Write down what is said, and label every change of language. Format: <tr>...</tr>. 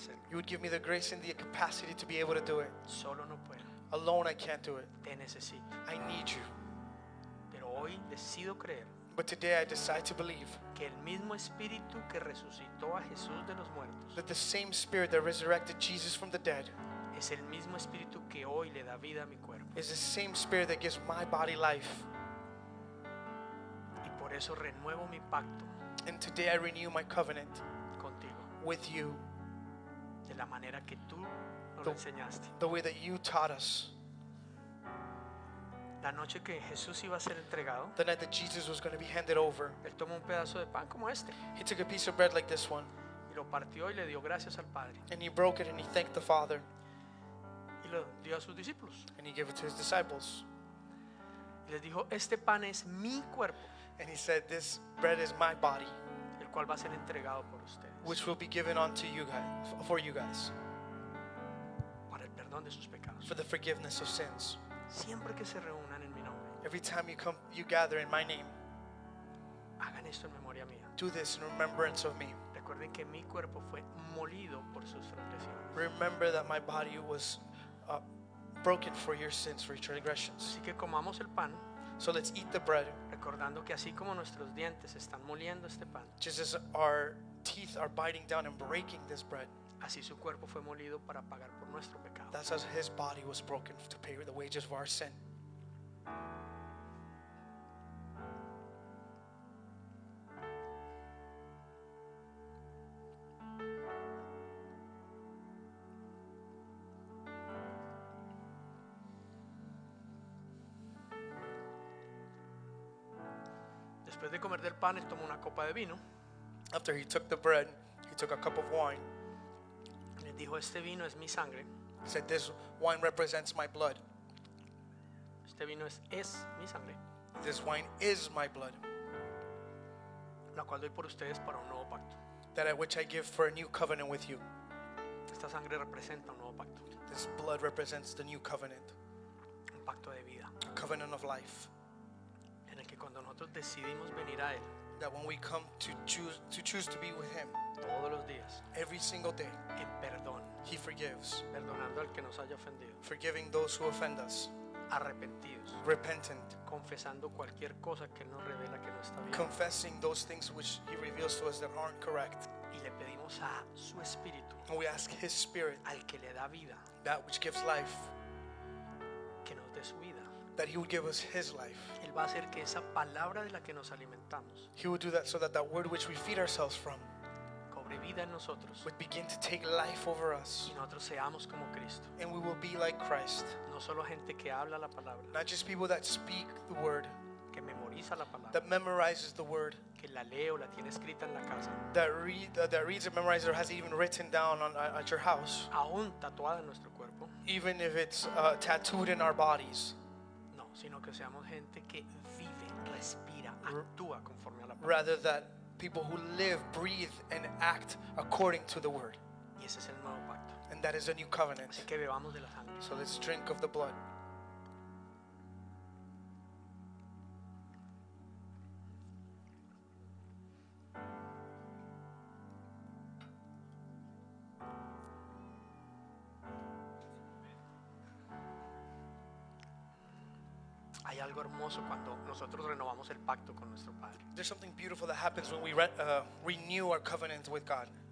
<en>You would give me the grace and the capacity to be able to do it.</en> <es>Solo no puedo.</es> <en>Alone I can't do it.</en> <es>Te necesito.</es> <en>I need you.</en> <es>Pero hoy decido creer.</es> <en>But today I decide to believe.</en> <es>Que el mismo espíritu que resucitó a Jesús de los muertos.</es> <en>That the same spirit that resurrected Jesus from the dead.</en> <es>Es el mismo espíritu que hoy le da vida a mi cuerpo.</es> <en>Is the same spirit that gives my body life.</en> <es>Y por eso renuevo mi pacto.</es> <en>And today I renew my covenant</en> <es>contigo.</es> <en>With you.</en> <es>De la manera que tú nos enseñaste.</es> <en>The way that you taught us.</en> <es>La noche que Jesús iba a ser entregado.</es> <en>The night that Jesus was going to be handed over.</en> <es>Él tomó un pedazo de pan como este.</es> <en>He took a piece of bread like this one.</en> <es>Y lo partió y le dio gracias al Padre.</es> <en>And he broke it and he thanked the Father.</en> <es>Y lo dio a sus discípulos.</es> <en>And he gave it to his disciples.</en> <es>Y les dijo, este pan es mi cuerpo.</es> <en>And he said, this bread is my body,</en> <es>el cual va a ser entregado por ustedes,</es> <en>which will be given unto you guys, for you guys,</en> <es>para el perdón de sus pecados,</es> <en>for the forgiveness of sins.</en> <es>Siempre que se reúnan en mi nombre,</es> <en>every time you come, you gather in my name,</en> <es>hagan esto en memoria mía.</es> <en>Do this in remembrance of me.</en> <es>recuerden que mi cuerpo fue molido por sus transgresiones.</es> <en>Remember that my body was broken for your sins, for your transgressions.</en> <es>Así que comamos el pan.</es> <en>So let's eat the bread.</en> <es>Recordando que así como nuestros dientes están moliendo este pan.</es> <en>Just as our teeth are biting down and breaking this bread.</en> <es>Así su cuerpo fue molido para pagar por nuestro pecado.</es> <en>That's as his body was broken to pay the wages of our sin.</en> <es>Después de comer del pan, él tomó una copa de vino.</es> <en>After he took the bread, he took a cup of wine.</en> <es>Le dijo, este vino es mi sangre.</es> <en>He said, this wine represents my blood.</en> <es>Este vino es mi sangre.</es> <en>This wine is my blood.</en> <es>La cual doy por ustedes para un nuevo pacto.</es> <en>That at which I give for a new covenant with you.</en> <es>Esta sangre representa un nuevo pacto.</es> <en>This blood represents the new covenant.</en> <es>Un pacto de vida.</es> <en>A covenant of life.</en> <es>En el que cuando nosotros decidimos venir a él,</es> <en>that when we come to choose to be with him,</en> <es>todos los días,</es> <en>every single day,</en> <es>en perdón,</es> <en>he forgives,</en> <es>perdonando al que nos haya ofendido,</es> <en>forgiving those who offend us,</en> <es>arrepentidos,</es> <en>repentant,</en> <es>confesando cualquier cosa que nos revela que no está bien,</es> <en>confessing those things which he reveals to us that aren't correct,</en> <es>y le pedimos a su espíritu,</es> <en>and we ask his spirit,</en> <es>al que le da vida,</es> <en>that which gives life,</en> <es>que nos dé su vida.</es> <en>That he would give us his life.</en> <es>Él va a hacer que esa palabra de la que nos alimentamos.</es> <en>He would do that so that word which we feed ourselves from.</en> <es>Cobre vida en nosotros.</es> <en>Would begin to take life over us.</en> <es>Y nosotros seamos como Cristo.</es> <en>And we will be like Christ.</en> <es>No solo gente que habla la palabra.</es> <en>Not just people that speak the word.</en> <es>Que memoriza la palabra.</es> <en>That memorizes the word.</en> <es>Que la lee o la tiene escrita en la casa.</es> <en>That reads and memorizes or has it even written down at your house.</en> <es>Aún tatuada en nuestro cuerpo.</es> <en>Even if it's tattooed in our bodies.</en> <es>Sino que seamos gente que vive, respira, actúa conforme a la palabra.</es> <en>Rather that people who live, breathe, and act according to the word.</en> <es>Y ese es el nuevo pacto.</es> <en>And that is a new covenant.</en> <es>Así que bebamos de la sangre.</es> <en>So let's drink of the blood.</en> <es>Hay algo hermoso cuando nosotros renovamos el pacto con nuestro Padre.</es> <en>There's something beautiful that happens when we renew our covenant with God.</en>